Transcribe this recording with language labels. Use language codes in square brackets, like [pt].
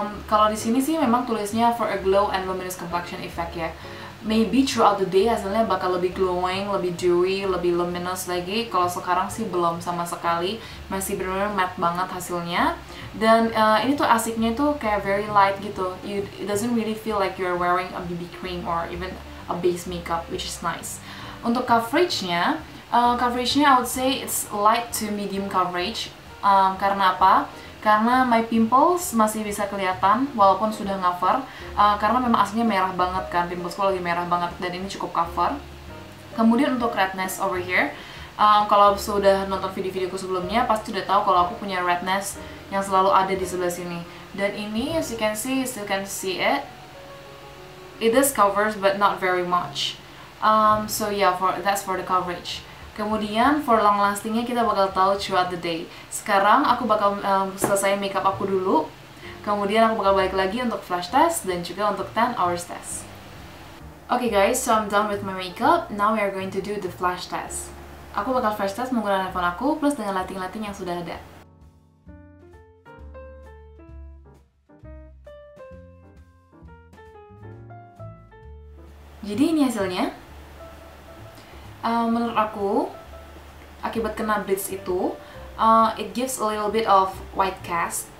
[id] Kalau di sini sih memang tulisnya [en] for a glow and luminous complexion effect [id] ya. [en] Maybe throughout the day [id] hasilnya bakal lebih glowing, lebih dewy, lebih luminous lagi. Kalau sekarang sih belum sama sekali, masih benar-benar matte banget hasilnya. Dan ini tuh asiknya tuh kayak [en] very light [id] gitu. [en] It doesn't really feel like you're wearing a BB cream or even a base makeup, which is nice. [id] Untuk coveragenya, [en] I would say it's light to medium coverage. [id] Karena apa? Karena [en] my pimples [id] masih bisa kelihatan walaupun sudah cover, karena memang aslinya merah banget kan, pimplesku lagi merah banget dan ini cukup cover. Kemudian untuk redness [en] over here, [id] kalau sudah nonton video-videoku sebelumnya pasti sudah tahu kalau aku punya redness yang selalu ada di sebelah sini. Dan ini [en] as you can see, still can see it. It does covers but not very much. So yeah, that's for the coverage. [id] Kemudian for long lastingnya kita bakal tahu [en] throughout the day. [id] Sekarang aku bakal selesai makeup aku dulu. Kemudian aku bakal balik lagi untuk flash test dan juga untuk 10 hours test. [en] Okay guys, so I'm done with my makeup. Now we are going to do the flash test. [id] Aku bakal flash test menggunakan handphone aku plus dengan lighting-lighting yang sudah ada. Jadi ini hasilnya. Menurut aku, akibat kena blitz itu, [en] it gives a little bit of white cast.